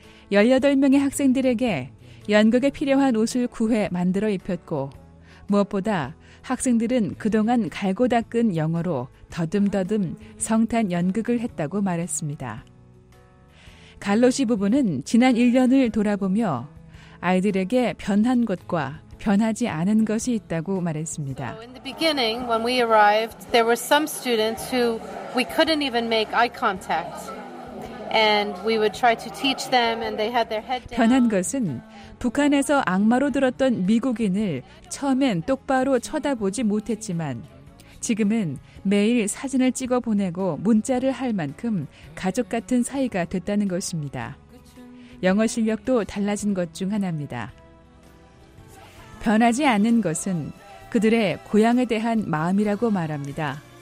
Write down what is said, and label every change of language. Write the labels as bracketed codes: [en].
[ko] 18명의 학생들에게 연극에 필요한 옷을 구해 만들어 입혔고 무엇보다 학생들은 그동안 갈고 닦은 영어로 더듬더듬 성탄 연극을 했다고 말했습니다. 갈로 씨 부부는 지난 1년을 돌아보며 아이들에게 변한 것과 변하지 않은 것이 있다고 말했습니다. [en] So in the beginning, when we arrived, there were some students who we couldn't even make eye contact. And we would try to teach them and they had their head down. [ko] 변한 것은 북한에서 악마로 들었던 미국인을 처음엔 똑바로 쳐다보지 못했지만 지금은 매일 사진을 찍어 보내고 문자를 할 만큼 가족 같은 사이가 됐다는 것입니다. 영어 실력도 달라진 것 중 하나입니다. 변하지 않는 것은 그들의 고향에 대한 마음이라고 말합니다.